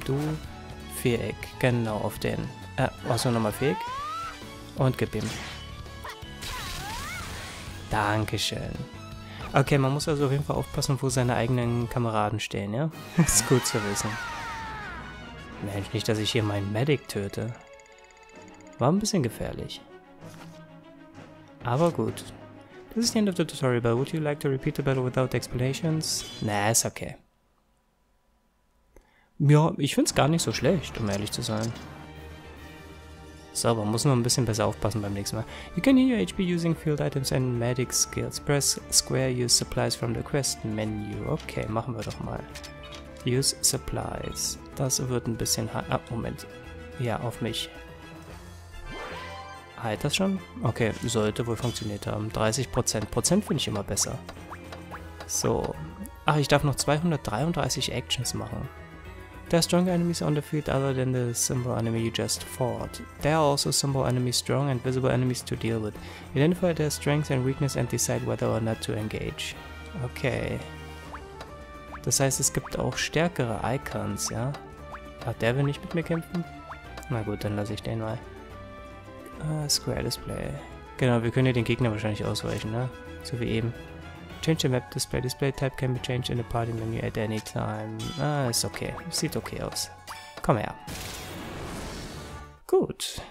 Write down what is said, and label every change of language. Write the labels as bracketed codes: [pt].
[de] Du, Viereck. Genau, auf den. Achso, nochmal Viereck. Und gib ihm. Dankeschön. Okay, man muss also auf jeden Fall aufpassen, wo seine eigenen Kameraden stehen, ja? Ist gut zu wissen. Mensch, nicht, dass ich hier meinen Medic töte. War ein bisschen gefährlich. Aber gut. [en] This is the end of the tutorial, but would you like to repeat the battle without explanations? [de] Nah, ist okay. Ja, ich find's gar nicht so schlecht, um ehrlich zu sein. So, man muss nur ein bisschen besser aufpassen beim nächsten Mal. [en] You can heal your HP using field items and medic skills. Press square, use supplies from the quest menu. [de] Okay, machen wir doch mal. [en] Use supplies. [de] Das wird ein bisschen... Moment. Ja, auf mich. Heilt das schon? Okay, sollte wohl funktioniert haben. 30%. Prozent finde ich immer besser. So. Ach, ich darf noch 233 Actions machen. [en] There are stronger enemies on the field other than the symbol enemy you just fought. There are also symbol enemies strong and visible enemies to deal with. Identify their strengths and weakness and decide whether or not to engage. Okay. [de] Das heißt, es gibt auch stärkere Icons, ja? Ach, der will nicht mit mir kämpfen? Na gut, dann lasse ich den mal. Square Display. Genau, wir können ja den Gegner wahrscheinlich ausweichen, ne? So wie eben. [en] Change the map display. Display type can be changed in the party menu at any time. [de] Ah, ist okay. Sieht okay aus. Komm her. Gut.